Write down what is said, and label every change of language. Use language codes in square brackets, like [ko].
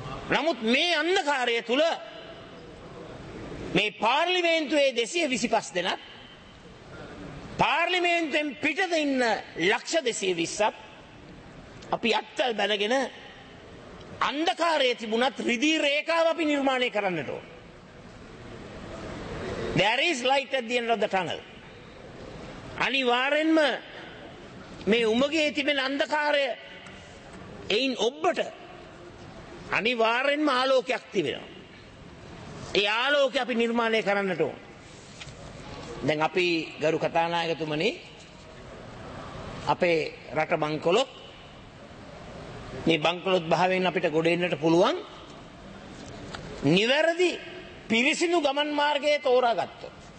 [si] නමුත් මේ අන්ධකාරය තුල මේ පාර්ලිමේන්තුවේ 225 දෙනා, පාර්ලිමේන්තුවෙන් පිටද ඉන්න 120,000 අපි අත්වල් බැලගෙන අන්ධකාරයේ තිබුණත් රිදී රේඛාව අපි නිර්මාණය කරන්නට ඕන. [en] There is light at the end of the tunnel. [si] අනිවාර්යෙන්ම මේ උමගේ තිබෙන අන්ධකාරය එයින් ඔබට අනිවාර්යෙන්ම ආලෝකයක් තිබෙනවා. ඒ ආලෝකය අපි නිර්මාණය කරන්නට ඕන. දැන් අපි ගරු කථානායකතුමනි අපේ රට බංකොලොත්, මේ බංකොලොත් භාවයෙන් අපිට ගොඩෙන්නට පුළුවන් නිවැරදි පිරිසිදු ගමන් මාර්ගයේ තෝරා ගත්තෝ.